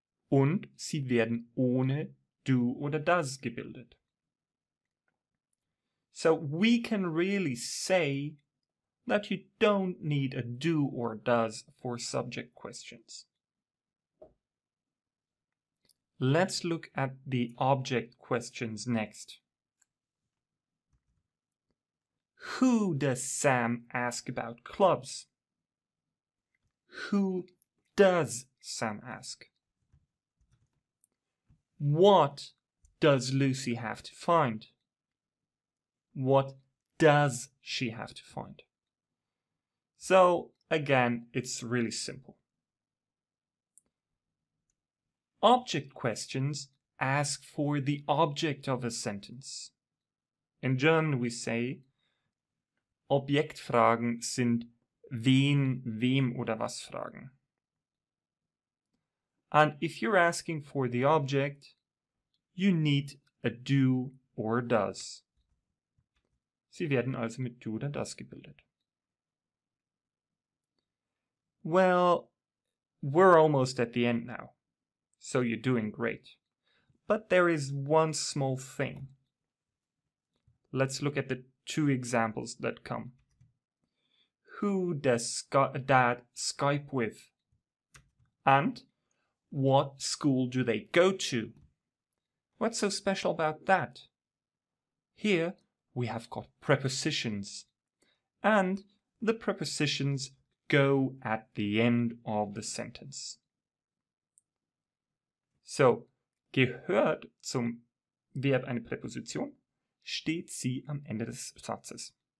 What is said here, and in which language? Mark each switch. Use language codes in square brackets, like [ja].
[de] Und sie werden ohne du oder das gebildet. [en] So we can really say that you don't need a do or does for subject questions. Let's look at the object questions next. Who does Sam ask about clubs? Who does Sam ask? What does Lucy have to find? What does she have to find? So, again, it's really simple. Object questions ask for the object of a sentence. In German, we say, [de] Objektfragen sind wen, wem oder was Fragen. [en] And if you're asking for the object, you need a do or does. [de] Sie werden also mit do oder das gebildet. [en] Well, we're almost at the end now, so you're doing great. But there is one small thing. Let's look at the two examples that come. Who does dad Skype with? And what school do they go to? What's so special about that? Here we have got prepositions. And the prepositions go at the end of the sentence. [de] So, gehört zum Verb eine Präposition, steht sie am Ende des Satzes.